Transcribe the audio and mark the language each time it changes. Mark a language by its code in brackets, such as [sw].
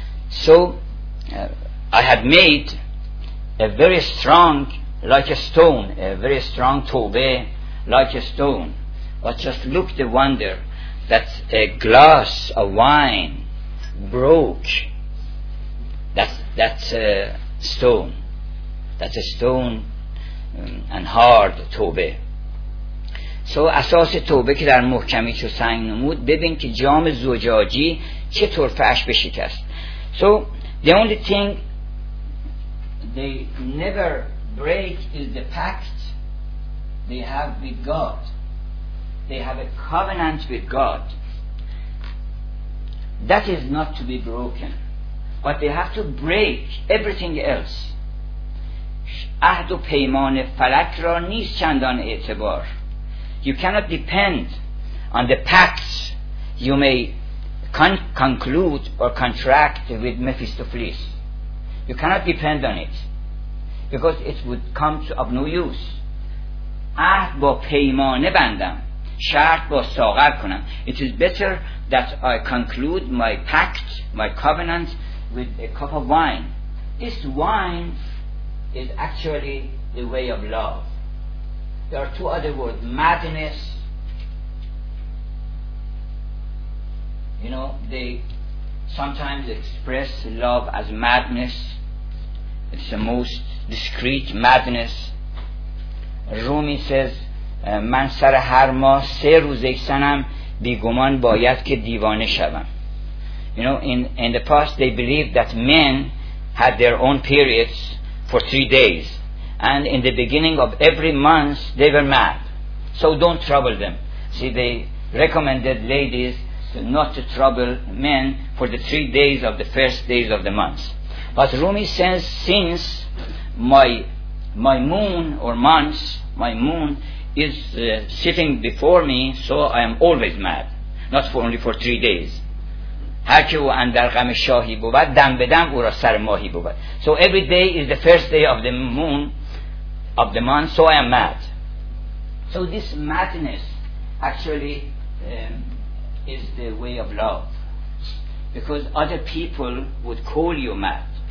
[en] So I had made a very strong, like a stone, a very strong tawbah, like a stone. But just look the wonder. that a glass of wine broke. That's a stone. That's a stone and hard توبه. [fa] So اساس توبه که در محکمی چو سنگ نمود، ببین که جام زجاجی چطور فرش بشکست. [en] So the only thing they never break is the pact they have with God. They have a covenant with God. That is not to be broken. But they have to break everything else. [fa] عهد و پیمان فلک را نیست چندان اعتبار. [en] You cannot depend on the pacts you may conclude or contract with Mephistopheles. You cannot depend on it because it would come to of no use. [fa] عهد با پیمانه بندم، شرط با ساغر کنم. [en] It is better that I conclude my pact, my covenant with a cup of wine. This wine is actually the way of love. There are two other words, madness. You know, they sometimes express love as madness. It's the most discreet madness. Rumi says, [fa] من سر هر ماه سه روز ایسنم بیگمان باید که دیوانه شدم. [en] You know, in the past they believed that men had their own periods for 3 days. And in the beginning of every month they were mad. So don't trouble them. See, they recommended ladies not to trouble men for the 3 days of the first days of the month. But Rumi says, since my moon or months, my moon is sitting before me, so I am always mad, not for only for 3 days. [fa] هر که او اندر غم شاهی بود دم به دم او را سر ماهی بود. [en] So every day is the first day of the moon of the month, so I am mad. So this madness actually is the way of love, because other people would call you mad.